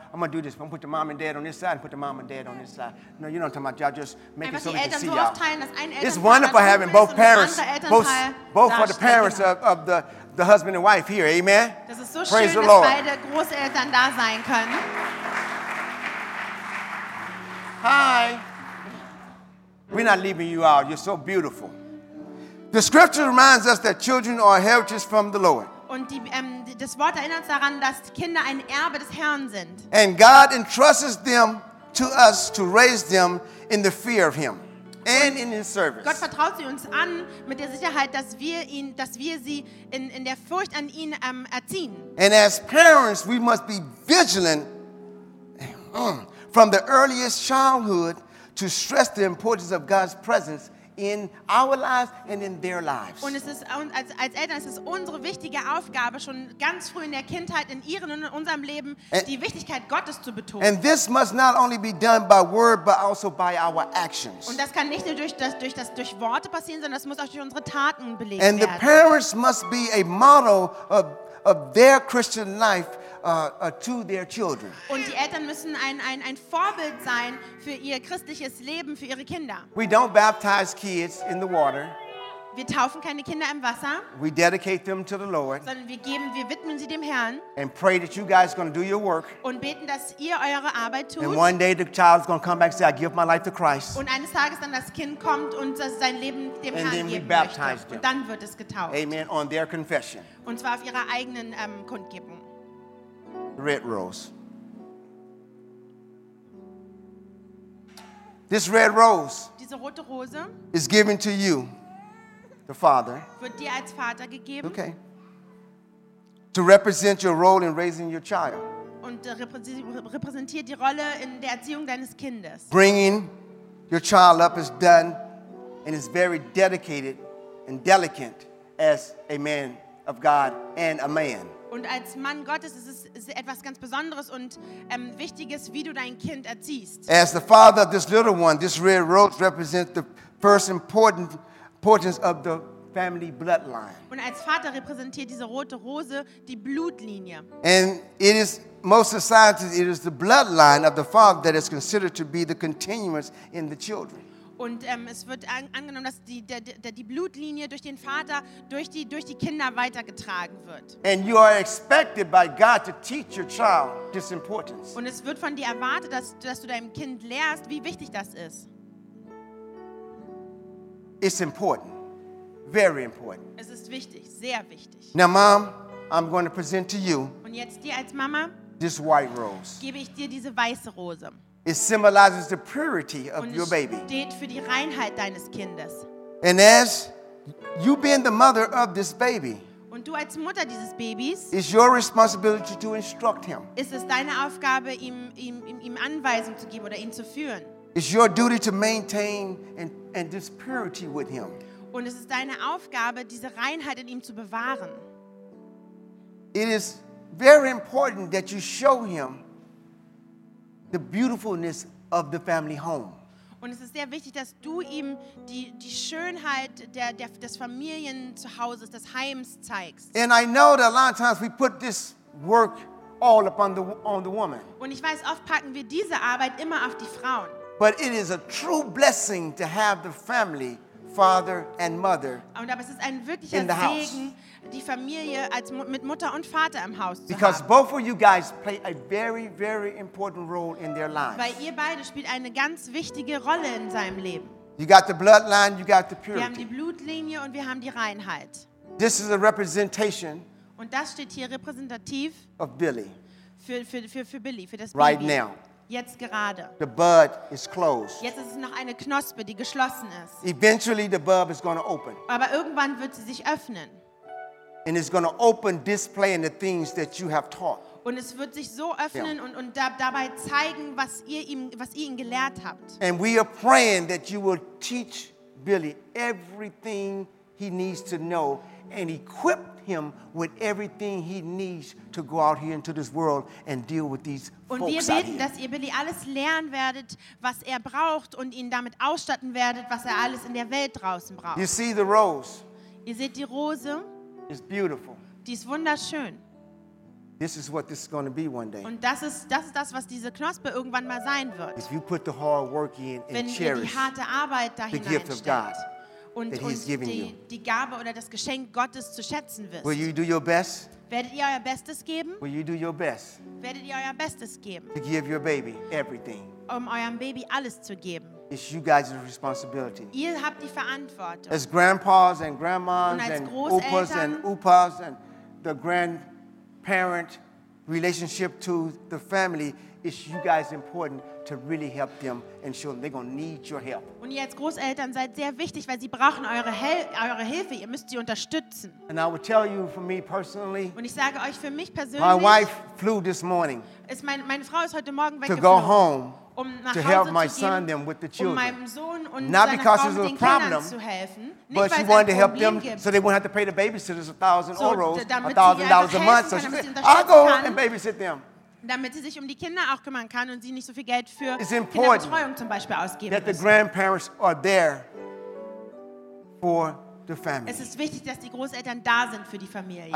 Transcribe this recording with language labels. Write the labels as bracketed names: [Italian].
[English] I'm going to do this. I'm going to put the mom and dad on this side and put the mom and dad on this side. No, you know what I'm talking about. Y'all just make [German] einfach [English] it so we can see so y'all. [German] Teilen, [English] it's wonderful having both parents, both are the parents of the husband and wife here. Amen? [German] Das ist so [English] praise [German] schön, [English] the Lord. [German] Beide Großeltern da sein können. [English] Hi. We're not leaving you out. You're so beautiful. The scripture reminds us that children are heritage from the Lord. [German] Und das Wort erinnert uns daran, dass Kinder ein Erbe des Herrn sind. [English] And God entrusts them to us to raise them in the fear of Him and in His service. [German] Gott vertraut sie uns an mit der Sicherheit, dass wir sie in der Furcht an ihn erziehen. [English] And as parents, we must be vigilant from the earliest childhood to stress the importance of God's presence in our lives and in their lives. [German] Und es ist als Eltern, es ist unsere wichtige Aufgabe, schon ganz früh in der Kindheit, in ihren und in unserem Leben, die Wichtigkeit Gottes zu betonen. [English] And this must not only be done by word, but also by our actions. [German] Und das kann nicht nur durch Worte passieren, sondern das muss auch durch unsere Taten belegt werden. [English] And the parents must be a model of their Christian life to their children. [German] Und die Eltern müssen ein Vorbild sein für ihr christliches Leben, für ihre Kinder. [English] We don't baptize kids in the water. [German] Wir taufen keine Kinder im Wasser. [English] We dedicate them to the Lord. [German] Sondern wir widmen sie dem Herrn. [English] And pray that you guys are going to do your work. [German] Und beten, dass ihr eure Arbeit tut. [English] And one day the child is going to come back and say, I give my life to Christ. [German] Und eines Tages dann das Kind kommt und sein Leben dem [English] and [German] Herrn [English] then [German] geben [English] we baptize [German] möchte. Und dann wird es getauft. [English] Amen. On their confession. [German] Und zwar auf ihrer eigenen Kundgebung. [English] Red rose. This red rose. [German] Diese rote Rose. [English] Is given to you. The Father. [German] Wird dir als Vater gegeben. [English] Okay. To represent your role in raising your child. [German] Und repräsentiert die Rolle in der Erziehung deines Kindes. [English] Bringing your child up is done and is very dedicated and delicate as a man of God and a man. [German] Und als Mann Gottes ist es etwas ganz Besonderes und Wichtiges, wie du dein Kind erziehst. [English] As the father of this little one, this red rose represents the first importance of the family bloodline. [German] Und als Vater repräsentiert diese rote Rose die Blutlinie. [English] And it is most societies, it is the bloodline of the father that is considered to be the continuance in the children. [German] Und es wird angenommen, dass die Blutlinie durch den Vater durch die Kinder weitergetragen wird. [English] And you are expected by God to teach your child this importance. [German] Und es wird von dir erwartet, dass du deinem Kind lehrst, wie wichtig das ist. [English] It's important, very important. [German] Es ist wichtig, sehr wichtig. [English] Now, Mom, I'm going to present to you. [German] Und jetzt dir als Mama. [English] This white rose. [German] Gebe ich dir diese weiße Rose. [English] It symbolizes the purity of your baby. [German] Und es steht für die Reinheit deines Kindes. [English] And as you being the mother of this baby. [German] Und du als Mutter dieses Babys. [English] It's your responsibility to instruct him. [German] Ist es deine Aufgabe, ihm Anweisungen zu geben oder ihn zu führen. [English] It's your duty to maintain and this purity with him. [German] Und es ist deine Aufgabe, diese Reinheit in ihm zu bewahren. [English] It is very important that you show him the beautifulness of the family home. [German] Und es ist sehr wichtig, dass du ihm die Schönheit des Familienzuhauses, des Heims zeigst. [English] And I know that a lot of times we put this work all upon on the woman. [German] Und ich weiß, oft packen wir diese Arbeit immer auf die Frauen. [English] But it is a true blessing to have the family, father and mother, in the house. [German] Die Familie mit Mutter und Vater im Haus zu [English] Because [German] haben. [English] Both of you guys play a very, very important role in their lives. [German] Weil ihr beide spielt eine ganz wichtige Rolle in seinem Leben. [English] You got the bloodline, you got the purity. [German] Wir haben die Blutlinie und wir haben die Reinheit. [English] This is a representation. [German] Und das steht hier repräsentativ. [English] Of Billy. [German] Für Billy, für das [English] right [German] Baby. [English] Now. [German] Jetzt gerade. [English] The bud is closed. [German] Jetzt ist es noch eine Knospe, die geschlossen ist. [English] Eventually the bud is going to open. [German] Aber irgendwann wird sie sich öffnen. [English] And it's going to open displaying the things that you have taught. [German] Und es wird sich so öffnen und dabei zeigen, was ihr ihm gelehrt habt. [English] And we are praying that you will teach Billy everything he needs to know and equip him with everything he needs to go out here into this world and deal with these [German] und [English] folks. [German] Und wir beten, dass ihr Billy alles lernen werdet, was er braucht und ihn damit ausstatten werdet, was er alles in der Welt draußen braucht. [English] You see the rose? [German] Ihr seht die Rose? [English] It's beautiful. [German] Die ist wunderschön. [English] This is what this is going to be one day. [German] Und das ist das, was diese Knospe irgendwann mal sein wird. [English] If you put the hard work in and [German] wenn [English] cherish [German] die harte Arbeit da [English] the gift of God. That he's giving you. [German] Die Gabe oder das Geschenk Gottes zu schätzen wirst. [English] Will you do your best? [German] Werdet ihr euer Bestes geben? [English] Will you do your best? [German] Werdet ihr euer Bestes geben? [English] To give your baby everything. [German] Eurem Baby alles zu geben. [English] It's you guys' responsibility. [German] Ihr habt die Verantwortung. [English] As grandpas and grandmas [German] und als [English] and opas and upas and the grandparent relationship to the family, it's you guys important to really help them and show them they're going to need your help. [German] Und ihr als Großeltern seid sehr wichtig, weil sie brauchen eure Hilfe. Ihr müsst sie unterstützen. [English] And I will tell you for me personally. [German] Und ich sage euch für mich persönlich. [English] My wife flew this morning. [German] Meine Frau ist heute Morgen weggeflogen. [English] To go home. To help my son them with the children. Not because it was a problem, but she wanted to help them so they wouldn't have to pay the babysitters €1,000, $1,000 a month. So she said, I'll go and babysit them. [German] Damit sie sich die Kinder auch kümmern kann und sie nicht so viel Geld für Kinderbetreuung zum Beispiel ausgeben muss. [English] That the grandparents are there for the family. [German] Es ist wichtig, dass die Großeltern da sind für die Familie.